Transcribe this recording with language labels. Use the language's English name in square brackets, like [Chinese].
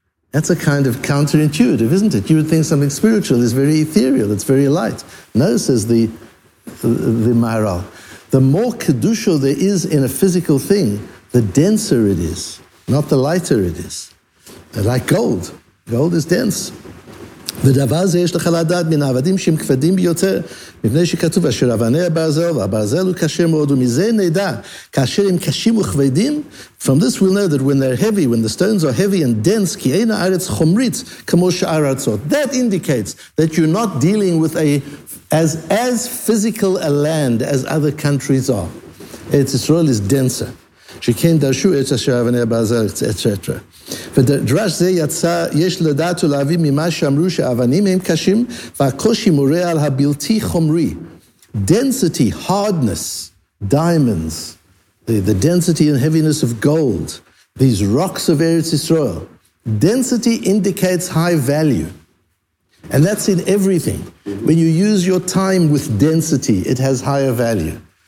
[English] That's a kind of counterintuitive, isn't it? You would think something spiritual is very ethereal, it's very light. No, says the Maharal. The more kedusha there is in a physical thing, the denser it is, not the lighter it is. They're like gold. Gold is dense. [Hebrew] ודבר זה יש לך לדעת מן העבדים שהם כבדים ביותר, מפני שכתוב אשר אבני הברזל, והברזל הוא קשה מאוד, ומזה נדע, כאשר הם קשים וכבדים, [English] from this we'll know that when they're heavy, when the stones are heavy and dense, [Hebrew] כי אין הארץ חומרית כמו שאר ארצות. [English] That indicates that you're not dealing with as physical a land as other countries are. Eretz Israel is denser. [Hebrew] שכן דרשו את אשר אבני הברזל, etc. ודרש זה יצא, יש לדעת ולהביא ממה שאמרו שהאבנים הם קשים, והקושי מורה על הבלתי חומרי. [English] Density, hardness, diamonds, the density and heaviness of gold, these rocks of Eretz Israel. Density indicates high value. And that's in everything. When you use your time with density, it has higher value.